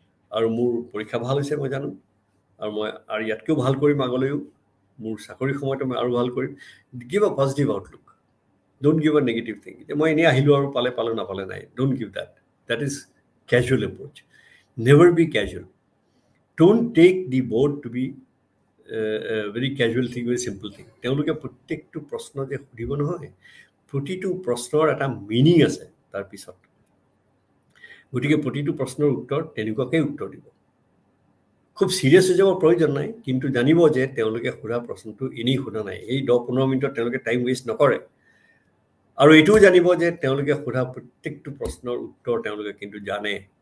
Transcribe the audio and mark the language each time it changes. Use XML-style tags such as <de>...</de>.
<as>আৰু মোৰ পৰীক্ষা ভাল হৈছে মই জানো আৰু মই আৰু ইয়াতকৈও ভাল কৰিম আগলৈও মোৰ চাকৰি সময়তো মই আৰু ভাল কৰিম</as> <en>give a positive outlook don't give a negative thing</en> <as>যে মই এনেই আহিলোঁ আৰু পালে পালে নাপালে নাই</as> <en>Don't give that that is casual approach Never be casual. Don't take the board to be a very casual thing, very simple thing.</en> <as>তেওঁলোকে প্ৰত্যেকটো প্ৰশ্ন যে সুধিব নহয় প্ৰতিটো প্ৰশ্নৰ এটা মিনিং আছে তাৰ পিছত গতিকে প্ৰতিটো প্ৰশ্নৰ উত্তৰ তেনেকুৱাকৈ উত্তৰ দিব খুব ছিৰিয়াছ হৈ যাব প্ৰয়োজন নাই কিন্তু জানিব যে তেওঁলোকে সোধা প্ৰশ্নটো এনেই সোধা নাই এই 10-15 মিনিটত তেওঁলোকে টাইম ৱেষ্ট নকৰে আৰু এইটোও জানিব যে তেওঁলোকে সোধা প্ৰত্যেকটো প্ৰশ্নৰ উত্তৰ তেওঁলোকে কিন্তু জানে</as>